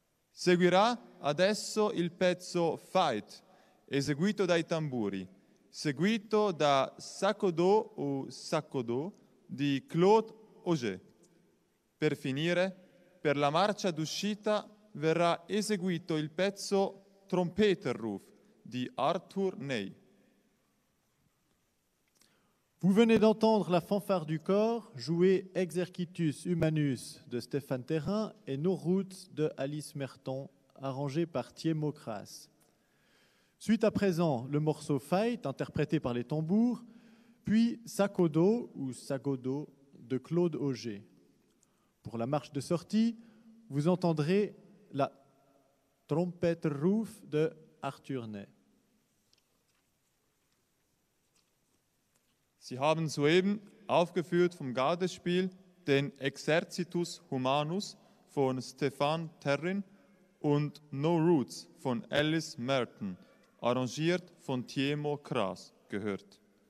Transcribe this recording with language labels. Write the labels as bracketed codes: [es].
[it] Seguirà adesso il pezzo Fight, eseguito dai tamburi, seguito da Sakodo o Sakodo di Claude Auger. Per finire, per la marcia d'uscita verrà eseguito il pezzo Trompeter Roof di Arthur Ney. [fr] Vous venez d'entendre la fanfare du corps jouer Exercitus Humanus de Stéphane Terrin et No Roots de Alice Merton, arrangé par Thiemo Kraas. Suite à présent, le morceau Fight, interprété par les tambours, puis Sakodo ou Sakodo de Claude Auger. Pour la marche de sortie, vous entendrez la Trompette Roof de Arthur Ney. [de] Sie haben soeben aufgeführt vom Gardespiel den Exercitus Humanus von Stéphane Terrin und No Roots von Alice Merton, arrangiert von Thiemo Kraas, gehört.